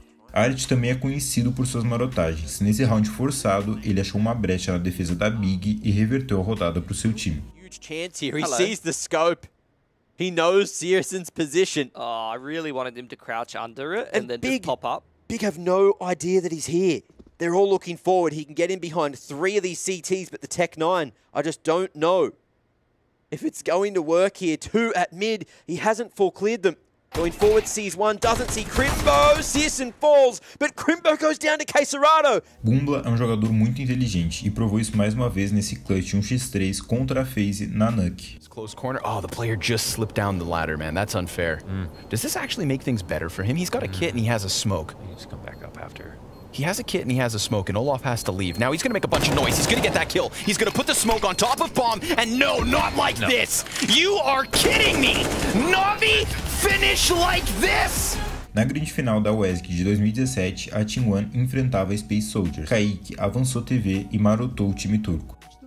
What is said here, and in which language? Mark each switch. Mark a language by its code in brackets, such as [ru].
[pt] Art também é conhecido por suas marotagens. Nesse round forçado, ele achou uma brecha na defesa da Big e reverteu a rodada para o seu time. [en] Huge chance here. He sees the scope. He knows Searson's position. Oh, I really wanted him to crouch under it and then Big, just pop up. Big have no idea that he's here. They're all looking forward. He can get in behind three of these CTs, but the Tech 9, I just don't know if it's going to work here. Two at mid. He hasn't full cleared them. Going forward, sees one, doesn't see Crimbo, Searson falls, but Crimbo goes down to Caicerado. [pt] Bumbla é um jogador muito inteligente e provou isso mais uma vez nesse clutch 1x3 contra a FaZe na Nuk. [en] Close corner. Oh, the player just slipped down the ladder, man. That's unfair. Does this actually make things better for him? He's got a kit and he has a smoke. He's come back up after. He has a kit and he has a smoke and Olaf has to leave. Now he's gonna make a bunch of noise. He's gonna get that kill. He's gonna put the smoke on top of bomb and no, not like this. You are kidding me. Navi, finish like this. [pt] Na grande final da WESG de 2017, a Team One enfrentava a Space Soldiers. Kaique avançou TV e marotou o time turco.